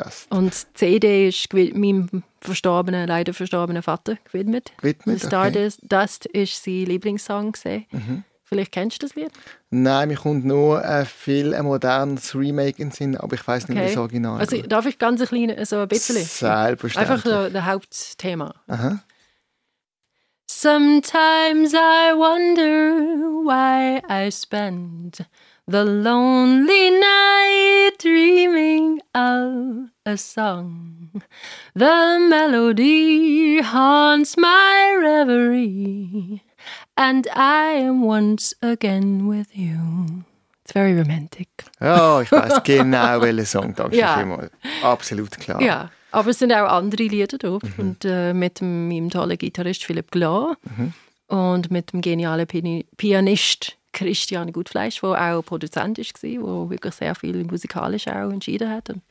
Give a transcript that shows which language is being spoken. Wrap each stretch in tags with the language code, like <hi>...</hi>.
<de>Und die CD ist meinem leider verstorbenen Vater gewidmet. Stardust, okay. Dust ist sein Lieblingssong gewesen. Vielleicht kennst du das Lied? Nein, mir kommt nur viel ein modernes Remake in den Sinn, aber ich weiß nicht, wie das Original. Also, darf ich ganz ein bisschen? Selbstverständlich. Einfach so das Hauptthema. Aha.</de> <en>Sometimes I wonder why I spend the lonely night dreaming of a song. The melody haunts my reverie, and I am once again with you. It's very romantic.</en> <de>Oh, ich weiß genau, welchen Song. Danke vielmals. Absolut klar. Ja, aber es sind auch andere Lieder drauf. Mhm. Und mit meinem tollen Gitarrist Philipp Glau und mit dem genialen Pianist Christian Gutfleisch, der auch Produzent war, der wirklich sehr viel musikalisch auch entschieden hat.</de>